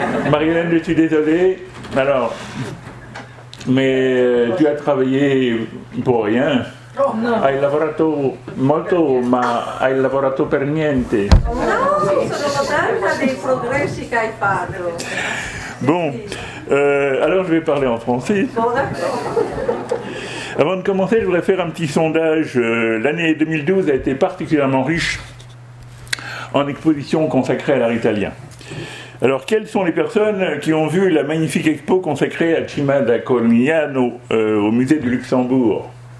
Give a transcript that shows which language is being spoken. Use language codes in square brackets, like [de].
[fr] Marilène, je suis désolé. Alors, mais tu as travaillé pour rien. Non. [it] Hai lavorato molto, ma hai lavorato per niente. No, sono contenta dei progressi che hai fatto. [fr] Bon, alors je vais parler en français. Bon, d'accord. Avant de commencer, je voudrais faire un petit sondage. L'année 2012 a été particulièrement riche en expositions consacrées à l'art italien. Alors, quelles sont les personnes qui ont vu la magnifique expo consacrée à Cima da Corigliano au musée du Luxembourg?